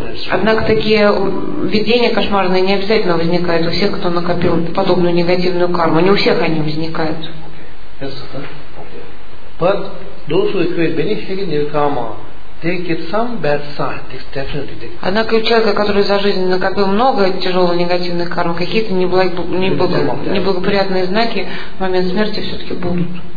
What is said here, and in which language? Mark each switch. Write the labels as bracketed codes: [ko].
[ru] Однако такие видения кошмарные не обязательно возникают у всех, кто накопил подобную негативную карму. Не у всех они возникают. [en] But those who create many heavy karma, they get some bad sign. [ru] Однако у человека, который за жизнь накопил много тяжелых негативных карм, какие-то неблагоприятные знаки в момент смерти все-таки будут.